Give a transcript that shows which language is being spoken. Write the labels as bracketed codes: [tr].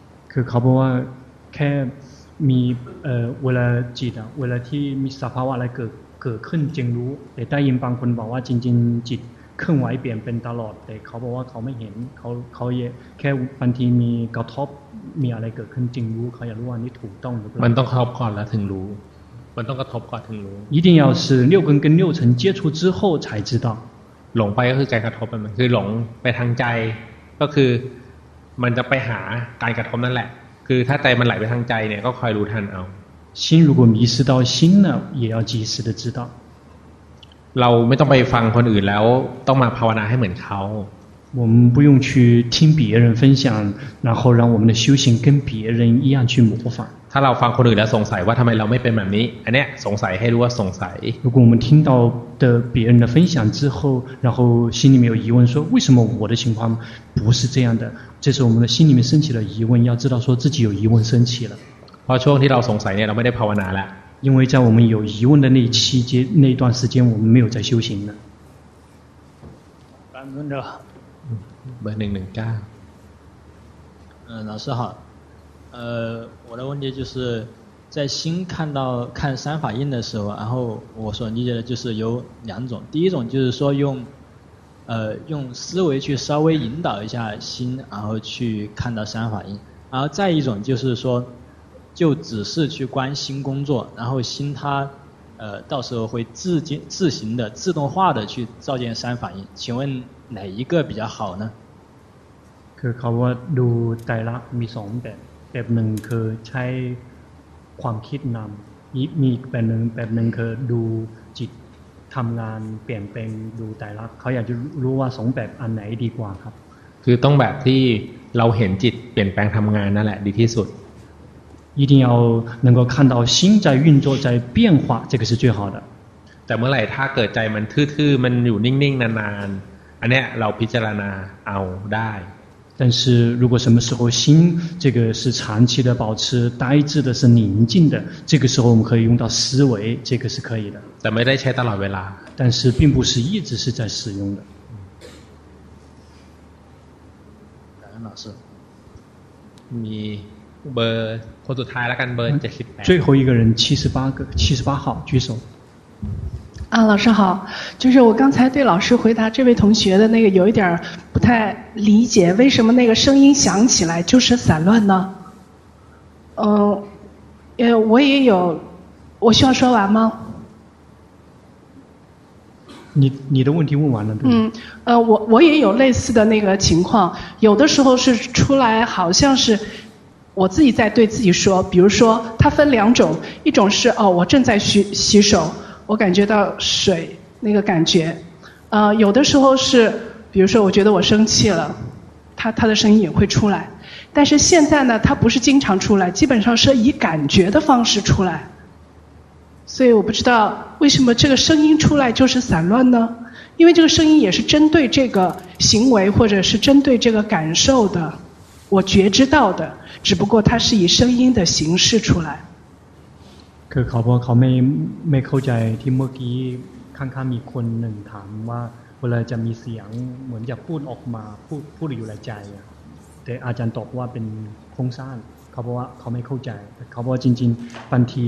[th] คือเขาบอกว่าแค่มีเวลาจิตอ่ะเวลาที่มีสภาวะอะไรเกิดขึ้นจึงรู้แต่ได้ยินบางคนบอกว่าจริงๆจิตเคลื่อนไหวเปลี่ยนเป็นตลอดแต่เขาบอกว่าเขาไม่เห็นเขาแค่บางทีมีกระทบมีอะไรเกิดขึ้นจึงรู้เขาอยากรู้ว่านี่ถูกต้องหรือเปล่ามันต้องกระทบก่อนแล้วถึงรู้มันต้องกระทบก่อนถึงรู้ [zh] 一定要是六根跟六尘接触之后才知道 [th] หลงไปก็คือการกระทบมันคือหลงไปทางใจก็คือมันจะไปหาการกระทบนั่นแหละคือถ้าใจมันไหลไปทางใจเนี่ยก็คอยรู้ทันเอา [zh] 心如果迷失到心了也要及时的知道 [th] เราไม่ต้องไปฟังคนอื่นแล้วต้องมาภาวนาให้เหมือนเขา [zh] 我们不用去听别人分享然后让我们的修行跟别人一样去模仿 [th] ถ้าเราฟังคนอื่นแล้วสงสัยว่าทำไมเราไม่เป็นแบบนี้อันนี้สงสัยให้รู้ว่าสงสัย [zh] 如果我们听到的别人的分享之后然后心里面有疑问说为什么我的情况不是这样的这是我们的心里面升起了疑问要知道说自己有疑问升起了 [th] เพราะช่วงที่เราสงสัยเนี่ยเราไม่ได้ภาวนาแล้ว [zh] 因为在我们有疑问的那期间那段时间我们没有在修行了感恩者 [th] เบอร์119 [zh] 老师好我的问题就是在心看到看三法印的时候然后我所理解的就是有两种第一种就是说用用思维去稍微引导一下心然后去看到三法印然后再一种就是说就只是去关心工作然后心它到时候会自行的自动化的去照见三法印请问哪一个比较好呢 [th] คือเขาว่าดูไตรลักษณ์มีสองแบบแบบหนึ่งคือใช้ความคิดนำมีแบบหนึ่งคือดูจิตทำงานเปลี่ยนแปลงดูไตรลักษณ์เขาอยากจะรู้ว่าสองแบบอันไหนดีกว่าครับ คือต้องแบบที่เราเห็นจิตเปลี่ยนแปลงทำงานนั่นแหละดีที่สุด [zh] 一定要能够看到心在运作在变化这个是最好的 [th] แต่เมื่อไหร่ถ้าเกิดใจมันทื่อๆมันอยู่นิ่งๆนานๆอันนี้เราพิจารณาเอาได้ [zh] 但是如果什么时候心这个是长期的保持呆滞的是宁静的这个时候我们可以用到思维这个是可以的 [th] แต่ไม่ได้ใช้ตลอดเวลา [zh] 但是并不是一直是在使用的感恩老师你 [th] เบอร์คนสุดท้ายแล้วกันเบอร์78 [zh] 最后一个人78号举手啊老师好就是我刚才对老师回答这位同学的那个有一点不太理解为什么那个声音响起来就是散乱呢我也有我需要说完吗你的问题问完了对吗我也有类似的那个情况有的时候是出来好像是我自己在对自己说比如说它分两种一种是哦我正在洗手我感觉到水那个感觉有的时候是比如说我觉得我生气了它的声音也会出来但是现在呢它不是经常出来基本上是以感觉的方式出来所以我不知道为什么这个声音出来就是散乱呢因为这个声音也是针对这个行为或者是针对这个感受的我觉知到的只不过它是以声音的形式出来 [th] คือเขาบอกเขาไม่เข้าใจที่เมื่อกี้ข้างๆมีคนหนึ่งถามว่าเวลาจะมีเสียงเหมือนจะพูดออกมาพูดอยู่ในใจแต่อาจารย์ตอบว่าเป็นโครงสร้างเขาบอกว่าเขาไม่เข้าใจเขาบอกว่าจริงๆบา